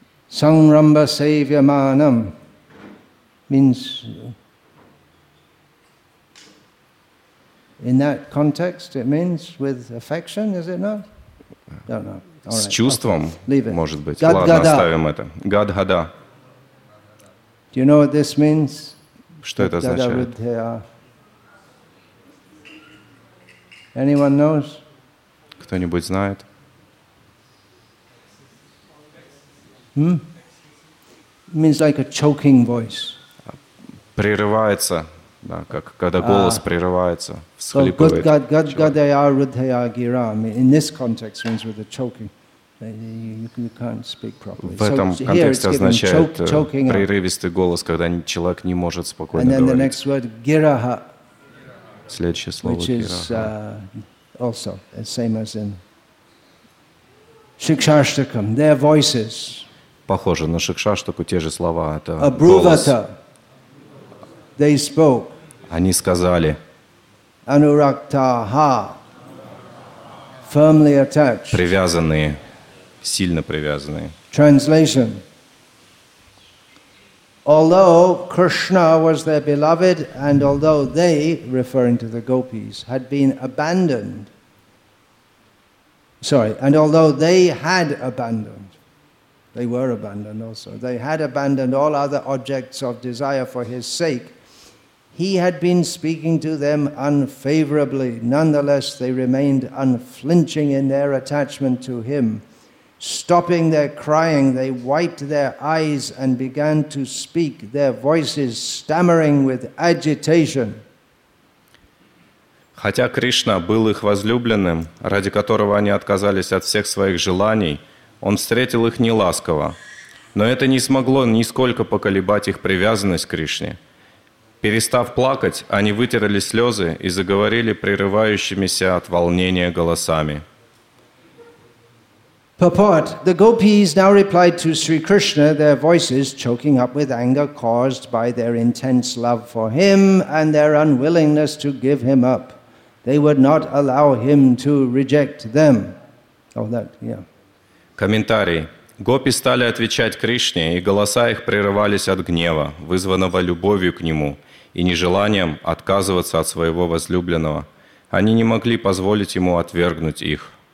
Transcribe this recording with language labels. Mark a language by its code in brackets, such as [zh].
[en] Samrambha sevyamanam means in that context it means with affection, is it not? Don't know. [ru] С чувством, может быть. Гад-гада. Ладно, оставим это. Гад-гада. [en] Do you know what this means? [ru] Что это означает? [en] Anyone knows? [ru] Кто-нибудь знает? [en] Means like a choking voice. [ru] Прерывается, да, как когда голос прерывается, всхлипывает. [en] So Gadgadayarudhaya gira in this context means with a choking. You can't speak properly. [ru] В этом контексте означает прерывистый голос, когда человек не может спокойно говорить. [en] And then the next word giraha. [ru] Следующее слово [sa] giraha. [en] Which is also the same as in Shikshashtakam. Their voices. [ru] Похоже на Шикшаштаку, те же слова, это [sa] Абрувата. [ru] Голос. [en] They spoke. [ru] Они сказали. [en] Anuraktaha. Firmly attached. [ru] Привязанные. Сильно привязанные. [en] Translation. Although Krishna was their beloved, and although they, referring to the gopis, had been abandoned. Sorry, and although they had abandoned. They were abandoned also. They had abandoned all other objects of desire for his sake. He had been speaking to them unfavorably. Nonetheless, they remained unflinching in their attachment to him. Stopping their crying, they wiped their eyes and began to speak, their voices stammering with agitation. [ru] Хотя Кришна был их возлюбленным, ради которого они отказались от всех своих желаний, Он встретил их неласково, но это не смогло нисколько поколебать их привязанность к Кришне. Перестав плакать, они вытерли слезы и заговорили прерывающимися от волнения голосами. [en] Purport. The gopis now replied to Sri Krishna, their voices choking up with anger caused by their intense love for him and their unwillingness to give him up. They would not allow him to reject them. Oh, that, yeah. [ru] Комментарий. Гопи стали отвечать Кришне, и голоса их прерывались от гнева, вызванного любовью к нему и нежеланием отказываться от своего возлюбленного. Они не могли позволить ему отвергнуть их.